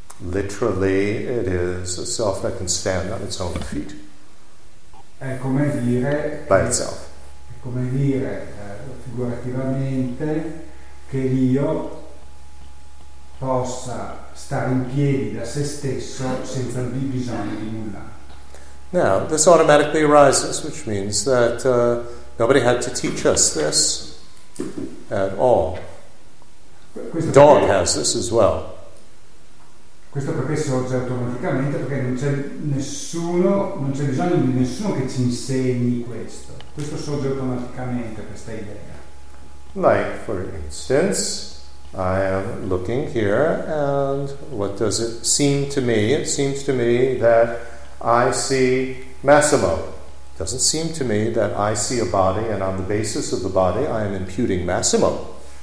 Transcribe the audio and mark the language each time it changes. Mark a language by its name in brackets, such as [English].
[English] Literally, it is a self that can stand on its own feet. [Italian] È come dire. [English] By itself. [Italian] È come dire figurativamente che l'io possa stare in piedi da se stesso senza bisogno di nulla. [English] Now, this automatically arises, which means that nobody had to teach us this at all. [Italian] Questo [English] dog has this as well. [Italian] Questo perché sorge automaticamente, perché non c'è bisogno di nessuno che ci insegni questo. Questo sorge automaticamente, questa idea. [English] Like, for instance, I am looking here, and what does it seem to me? It seems to me that I see Massimo. Doesn't seem to me that I see a body, and on the basis of the body, I am imputing Massimo.